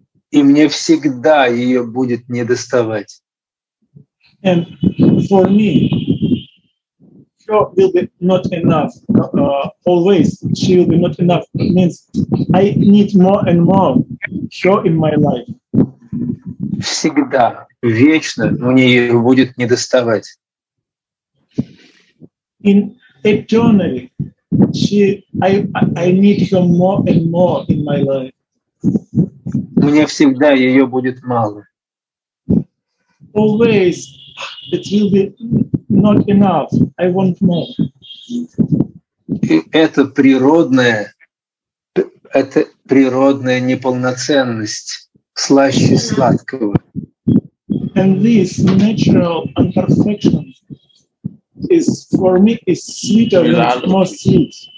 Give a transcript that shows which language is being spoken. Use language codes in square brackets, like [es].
[ru] И мне всегда ее будет недоставать. [en] And for me, she will be not enough. Always she will be not enough. It means I need more and more her in my life. [ru] Всегда, вечно мне ее будет недоставать. [en] In eternity, I need her more and more in my life. [ru] Мне всегда ее будет мало. [en] Always it will be not enough. I want more. [ru] И это природная неполноценность слаще сладкого. [en] And this natural imperfection is for me is sweeter than most sweet.